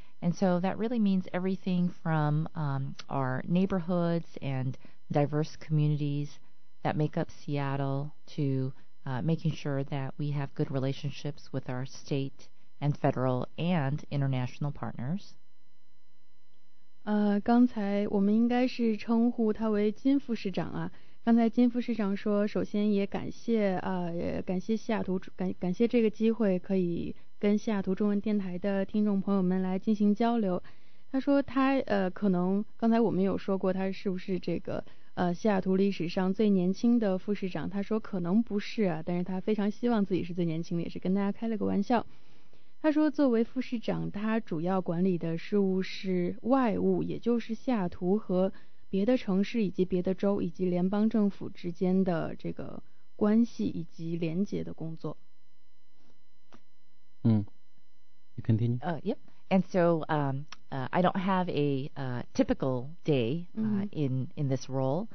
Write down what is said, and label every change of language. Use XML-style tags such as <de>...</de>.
<en>And so that really means everything from our neighborhoods and diverse communities that make up Seattle to making sure that we have good relationships with our state and federal and international partners.</en> <zh>刚才我们应该是称呼他为金副市长啊。刚才金副市长说，首先也感谢感谢西雅图，感谢这个机会可以跟西雅图中文电台的听众朋友们来进行交流。他说他可能刚才我们有说过他是不是这个西雅图历史上最年轻的副市长，他说可能不是啊，但是他非常希望自己是最年轻的，也是跟大家开了个玩笑。他说作为副市长，他主要管理的事务是外务，也就是西雅图和别的城市以及别的州以及联邦政府之间的这个关系以及连结的工作。</zh> <en>You continue. Yep. And so, I don't have a typical day in this role.</en>